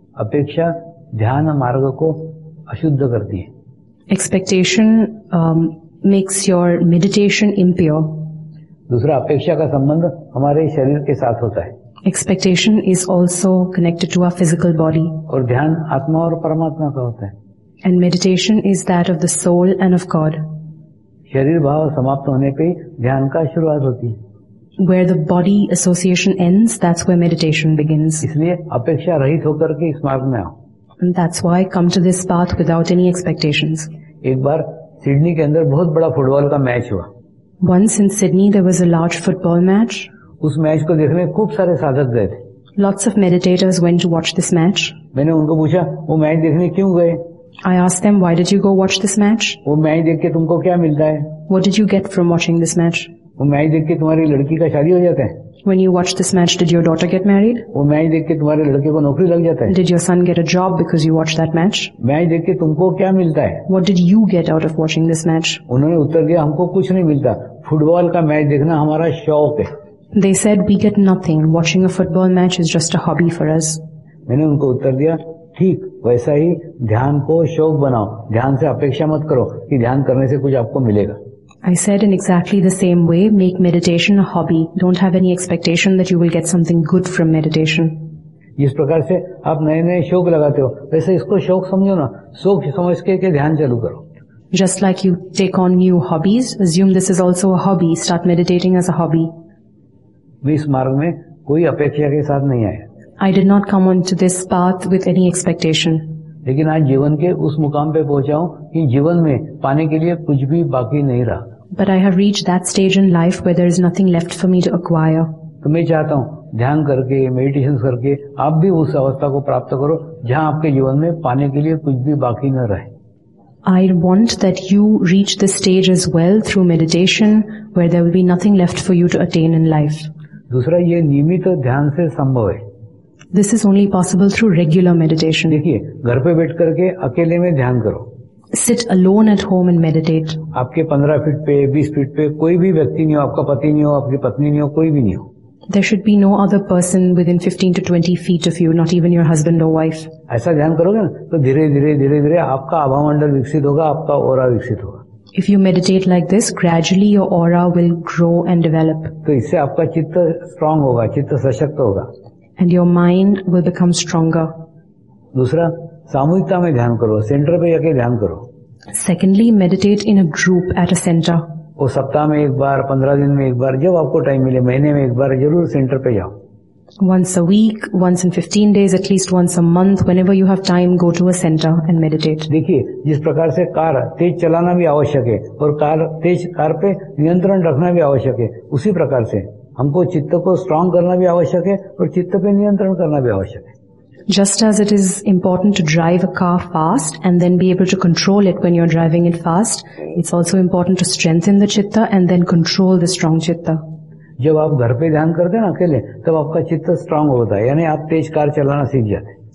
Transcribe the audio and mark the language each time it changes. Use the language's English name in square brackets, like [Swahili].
[Hindi] Apeksha dhyan marg ko ashuddha karti hai. [English] Expectation makes your meditation impure. [Hindi] Dusra apeksha ka sambandh hamare sharir ke saath hota hai. [English] Expectation is also connected to our physical body. [Hindi] और ध्यान आत्मा और परमात्मा का होता है. [English] And meditation is that of the soul and of God. [Hindi] शरीर भाव समाप्त होने पे ध्यान का शुरुआत होती है. [English] Where the body association ends, that's where meditation begins. [Hindi] इसलिए अपेक्षा रहित होकर के इस मार्ग में आओ. [English] And that's why come to this path without any expectations. [Hindi] एक बार सिडनी के अंदर बहुत बड़ा फुटबॉल का मैच हुआ. [English] Once in Sydney there was a large football match. [Hindi] उस मैच को देखने खूब सारे साधक गए थे. [English] Lots of meditators went to watch this match. [Hindi] मैंने उनको पूछा वो मैच देखने क्यों गए. [English] I asked them, why did you go watch this match? [Hindi] वो मैच देख के तुमको क्या मिलता है. [English] What did you get from watching this match? [Hindi] वो मैच देख के तुम्हारी लड़की का शादी हो जाता है. [English] When you watch this match, did your daughter get married? [Hindi] वो मैच देख के तुम्हारे लड़के को नौकरी लग जाता है. [English] Did your son get a job because you watched that match? [Hindi] Match देख के तुमको क्या मिलता है. [English] What did you get out of watching this match? [Hindi] उन्होंने उत्तर दिया हमको कुछ नहीं मिलता, फुटबॉल का मैच देखना हमारा शौक है. [English] They said, we get nothing. Watching a football match is just a hobby for us. [Hindi] मैंने उनको उत्तर दिया, ठीक, वैसा ही ध्यान को शौक बनाओ. ध्यान से अपेक्षा मत करो कि ध्यान करने से कुछ आपको मिलेगा. [English] I said, in exactly the same way, make meditation a hobby. Don't have any expectation that you will get something good from meditation. [Hindi] इस प्रकार से आप नए नए शौक लगाते हो, वैसे इसको शौक समझो ना, शौक समझ के ध्यान चालू करो. [English] Just like you take on new hobbies, assume this is also a hobby. Start meditating as a hobby. [Hindi] मैं इस मार्ग में कोई अपेक्षा के साथ नहीं आया. [English] I did not come onto this path with any expectation. [Hindi] लेकिन आज जीवन के उस मुकाम पे पहुंचा हूं कि जीवन में पाने के लिए कुछ भी बाकी नहीं रहा. [English] But I have reached that stage in life where there is nothing left for me to acquire. [Hindi] तो मैं चाहता हूं ध्यान करके, मेडिटेशन करके आप भी उस अवस्था को प्राप्त करो जहां आपके जीवन में पाने के लिए कुछ भी बाकी न रहे. [English] I want that you reach this stage as well through meditation where there will be nothing left for you to attain in life. [Hindi] दूसरा, ये नियमित ध्यान से संभव है. [English] This is only possible through regular meditation. [Hindi] देखिए, घर पे बैठ करके अकेले में ध्यान करो. [English] Sit alone at home and meditate. [Hindi] आपके 15 फीट पे, 20 फीट पे कोई भी व्यक्ति नहीं हो, आपका पति नहीं हो, आपकी पत्नी नहीं हो, कोई भी नहीं हो. [English] There should be no other person within 15 to 20 feet of you, not even your husband और wife. [Hindi] ऐसा ध्यान करोगे ना तो धीरे धीरे धीरे धीरे आपका आभा मंडल विकसित होगा, आपका ओरा विकसित होगा. [English] If you meditate like this, gradually your aura will grow and develop. [Hindi] तो इससे आपका चित्त स्ट्रांग होगा, चित्त सशक्त होगा. [English] And your mind will become stronger. [Hindi] दूसरा, सामूहिकता में ध्यान करो, सेंटर पे जाके ध्यान करो. [English] Secondly, meditate in a group at a center. [Hindi] वो सप्ताह में एक बार, 15 दिन में एक बार, जब आपको टाइम मिले, महीने में एक बार जरूर सेंटर पे जाओ. [English] Once a week, once in 15 days, at least once a month, whenever you have time, go to a center and meditate. [Hindi] देखिए, जिस प्रकार से कार तेज चलाना भी आवश्यक है और कार पे नियंत्रण रखना भी आवश्यक है, उसी प्रकार से हमको चित्त को स्ट्रांग करना भी आवश्यक है और चित्त पे नियंत्रण करना भी आवश्यक है. [English] Just as it is important to drive a car fast and then be able to control it when you're driving it fast, it's also important to strengthen the chitta and then control the strong chitta. [Hindi] जब आप घर पे ध्यान करते हैं ना अकेले, तब आपका चित्त स्ट्रांग होता है, यानी आप तेज कार चलाना सीख जाते हैं.